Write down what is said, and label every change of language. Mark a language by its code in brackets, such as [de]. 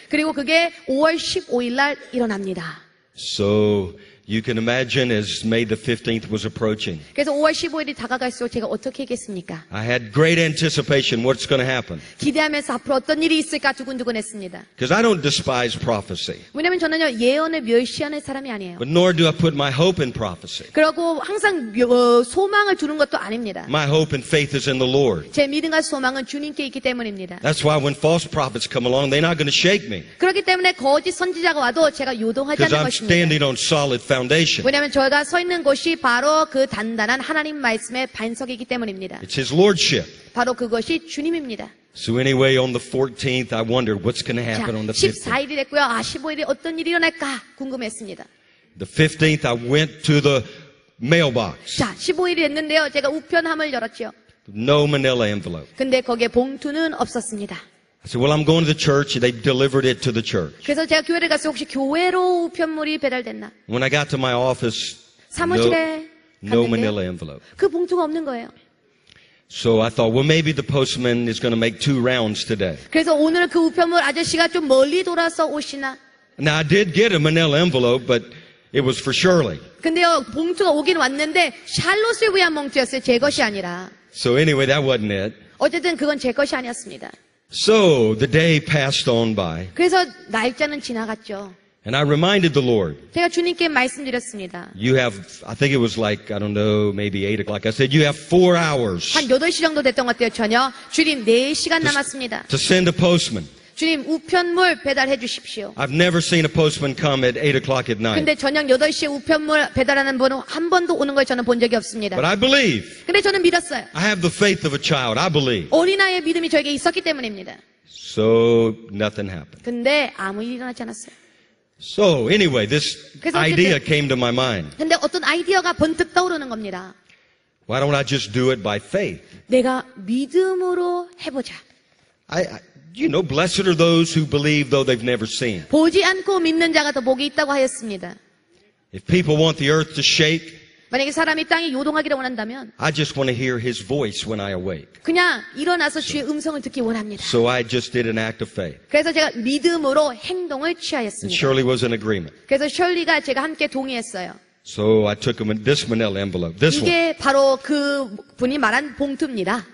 [ko] 그리고 그게 5월 15일 날 일어납니다. [en] So you can imagine as May the 15th was approaching. [ko] 그래서 5월 15일이 다가갈수록 제가 어떻게 했겠습니까? [en] I had great anticipation what's going to happen. [ko] 기대하면서 앞으로 어떤 일이 있을까 두근두근했습니다. [en] Because I don't despise prophecy. [ko] 왜냐면 저는요, 예언을 멸시하는 사람이 아니에요. [en] But nor do I put my hope in prophecy. [ko] 그리고 항상 소망을 두는 것도 아닙니다. [en] My hope and faith is in the Lord. [ko] 제 믿음과 소망은 주님께 있기 때문입니다. [en] That's why when false prophets come along they're not going to shake me. [ko] 그렇기 때문에 거짓 선지자가 와도 제가 요동하지 않을 것입니다. [en] Because I'm standing on solid foundation. [ko] 왜냐면 저희가 서 있는 곳이 바로 그 단단한 하나님 말씀의 반석이기 때문입니다. [en] It's His Lordship. [ko] 바로 그것이 주님입니다. [en] So anyway, on the 14th, I wondered what's going to happen on the 15th. [ko] 14일이 됐고요. 아, 15일이 어떤 일이 일어날까 궁금했습니다. [en] The 15th, I went to the mailbox. [ko] 자, 15일이 됐는데요. 제가 우편함을 열었죠. [en] No manila envelope. [ko] 근데 거기에 봉투는 없었습니다. [en] I said, "Well, I'm going to the church. They delivered it to the church." [ko] 그래서 제가 교회를 갔어요. 혹시 교회로 우편물이 배달됐나? [en] When I got to my office, [ko] 사무실에 갔는데, [en] no manila envelope. [ko] 그 봉투가 없는 거예요. [en] So I thought, "Well, maybe the postman is going to make two rounds today." [ko] 그래서 오늘 그 우편물 아저씨가 좀 멀리 돌아서 오시나? [en] Now I did get a manila envelope, but it was for Shirley. [ko] 근데요, 봉투가 오긴 왔는데 샬롯을 위한 봉투였어요. 제 것이 아니라. [en] So anyway, that wasn't it. [ko] 어쨌든 그건 제 것이 아니었습니다. [en] So the day passed on by. [ko] 그래서 날짜는 지나갔죠. [en] And I reminded the Lord. [ko] 제가 주님께 말씀드렸습니다. [en] You have, I think it was like, I don't know, maybe 8 o'clock. I said, you have 4 hours. [ko] 한 8시 정도 됐던 것 같아요, 전혀. 주님, 4시간 남았습니다. [en] To send a postman. [ko] 주님, 우편물 배달해 주십시오. [en] I've never seen a postman come at 8 o'clock at night. [ko] 근데 저녁 8시에 우편물 배달하는 분은 한 번도 오는 걸 저는 본 적이 없습니다. [en] But I believe. [ko] 근데 저는 믿었어요. [en] I have the faith of a child. I believe. [ko] 어린아이의 믿음이 저에게 있었기 때문입니다. [en] So nothing happened. [ko] 근데 아무 일이 일어나지 않았어요. [en] So anyway, this idea came to my mind. [ko] 근데 어떤 아이디어가 번뜩 떠오르는 겁니다. [en] Why don't I just do it by faith? [ko] 내가 믿음으로 해보자. [en] You know, blessed are those who believe though they've never seen. [ko] 보지 않고 믿는 자가 더 복이 있다고 하였습니다. [en] If people want the earth to shake, [ko] 만약에 사람이 땅이 요동하기를 원한다면, [en] I just want to hear His voice when I awake. [ko] 그냥 일어나서 주의 음성을 듣기 원합니다. [en] So I just did an act of faith. [ko] 그래서 제가 믿음으로 행동을 취하였습니다. [en] Shirley was in agreement. [ko] 그래서 셜리가 제가 함께 동의했어요. [en] So I took him this manila envelope. This [ko] 이게 바로 그 분이 말한 봉투입니다.